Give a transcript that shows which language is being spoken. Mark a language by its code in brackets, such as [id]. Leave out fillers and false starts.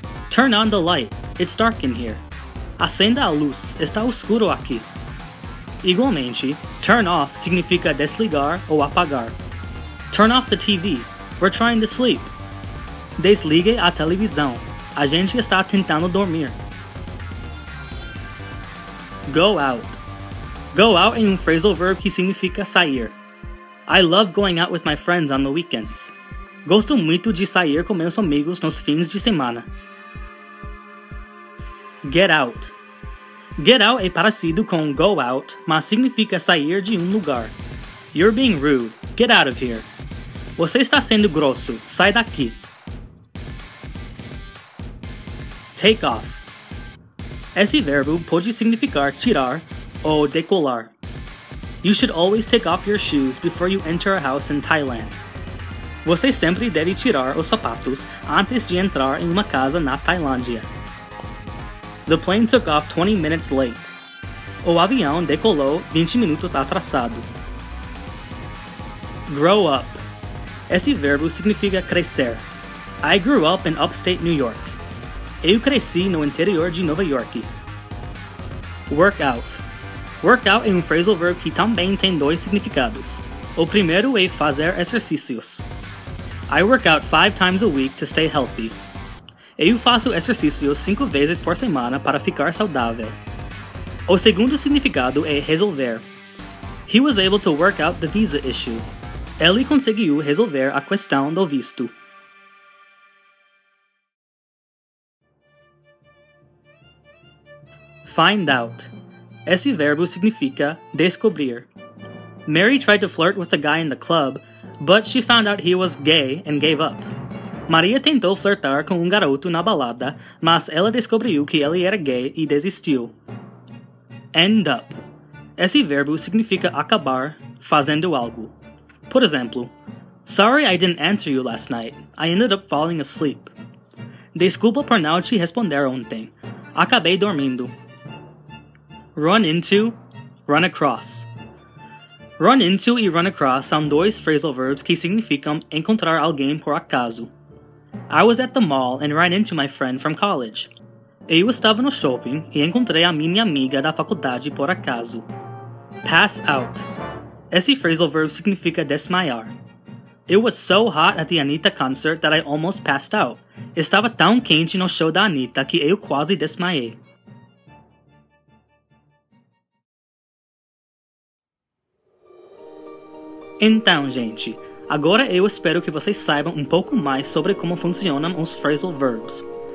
[en] Turn on the light, it's dark in here. [pt] Acenda a luz, está escuro aqui. Igualmente, turn off significa desligar ou apagar. [en] Turn off the TV, we're trying to sleep. [pt] Desligue a televisão, a gente está tentando dormir. [en] Go out. [pt] Go out é phrasal verb que significa sair. [en] I love going out with my friends on the weekends. [pt] Gosto muito de sair com meus amigos nos fins de semana. Get out. Get out é parecido com go out, mas significa sair de lugar. [en] You're being rude. Get out of here. [pt] Você está sendo grosso. Sai daqui. Take off. Esse verbo pode significar tirar ou decolar. [en] You should always take off your shoes before you enter a house in Thailand. [pt] Você sempre deve tirar os sapatos antes de entrar em uma casa na Tailândia. [en] The plane took off 20 minutes late. [pt] O avião decolou 20 minutos atrasado. Grow up. Esse verbo significa crescer. [en] I grew up in upstate New York. [pt] Eu cresci no interior de Nova York. [en] Work out. [pt] Work out é phrasal verb que também tem dois significados. O primeiro é fazer exercícios. [en] I work out 5 times a week to stay healthy. [pt] Eu faço exercícios 5 vezes por semana para ficar saudável. O segundo significado é resolver. [en] He was able to work out the visa issue. [pt] Ele conseguiu resolver a questão do visto. Find out. Esse verbo significa descobrir. [en] Mary tried to flirt with the guy in the club, but she found out he was gay and gave up. [pt] Maria tentou flertar com um garoto na balada, mas ela descobriu que ele era gay e desistiu. End up. Esse verbo significa acabar fazendo algo. Por exemplo, [en] sorry I didn't answer you last night. I ended up falling asleep. [pt] Desculpa por não te responder ontem. Acabei dormindo. [en] Run into, run across. [pt] Run into e run across são dois phrasal verbs que significam encontrar alguém por acaso. [en] I was at the mall and ran into my friend from college. [pt] Eu estava no shopping e encontrei a minha amiga da faculdade por acaso. Pass out. Esse phrasal verb significa desmaiar. [en] It was so hot at the Anitta concert that I almost passed out. [pt] Estava tão quente no show da Anitta que eu quase desmaiei. Então, gente, agora eu espero que vocês saibam um pouco mais sobre como funcionam os phrasal verbs.